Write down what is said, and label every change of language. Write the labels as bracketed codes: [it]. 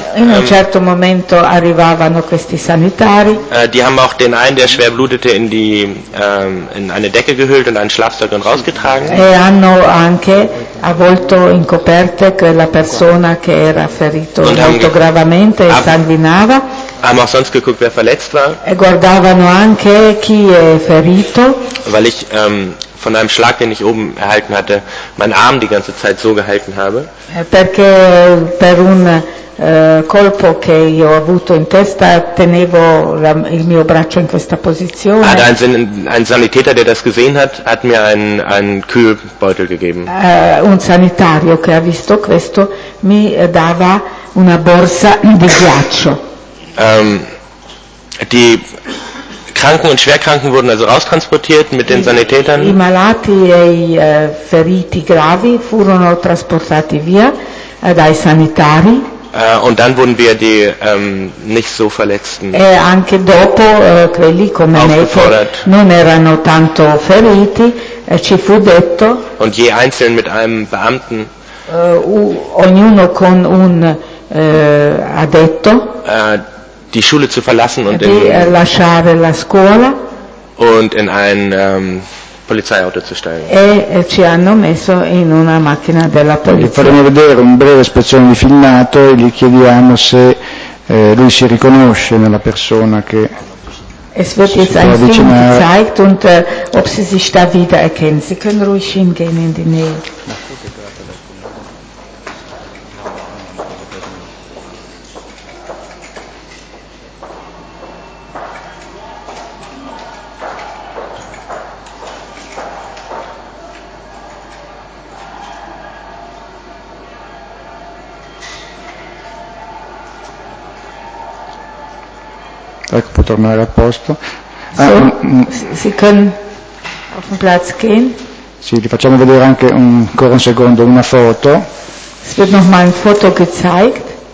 [it] In un certo momento arrivavano questi sanitari. [de] Die haben auch den einen, der schwer blutete, in die in eine Decke gehüllt und einen Schlafsack und rausgetragen. [it] E hanno anche avvolto in coperte quella persona che era ferito molto gravemente e sanguinava. [de] Haben auch sonst geguckt, wer verletzt war. [it] E guardavano anche chi è ferito. [de] Weil ich von einem Schlag, den ich oben erhalten hatte, meinen Arm die ganze Zeit so gehalten habe. [it] Perché per un colpo che io ho avuto in testa tenevo il mio braccio in questa posizione. [de] Ah, ein Sanitäter, der das gesehen hat, hat mir einen Kühlbeutel gegeben. [it] Un sanitario che ha visto questo mi dava una borsa di ghiaccio. [de] Die Kranken und Schwerkranken wurden also raustransportiert mit den Sanitätern. [it] I malati e i feriti gravi furono trasportati via dai sanitari. [de] Und dann wurden wir die nicht so Verletzten. [it] E anche dopo quelli come me non erano tanto feriti, ci fu detto. [de] Und je einzeln mit einem Beamten. [it] Ognuno con un addetto. [de] Die Schule zu verlassen und [it] lasciare la scuola [de] und in ein Polizeiauto zu steigen. [it] E ci hanno messo in una macchina della polizia. Gli faremo vedere un breve spezzone di filmato e gli chiediamo se lui si riconosce nella persona che [de] es wird jetzt ein Film gezeigt und ob sie sich da wieder erkennt. Sie können ruhig hingehen in die Nähe. [it] Ecco, può tornare a posto. Si può [de] auf den Platz gehen. [it] Sì, vi facciamo vedere anche ancora un secondo una foto. [de] Es wird noch mal ein Foto gezeigt.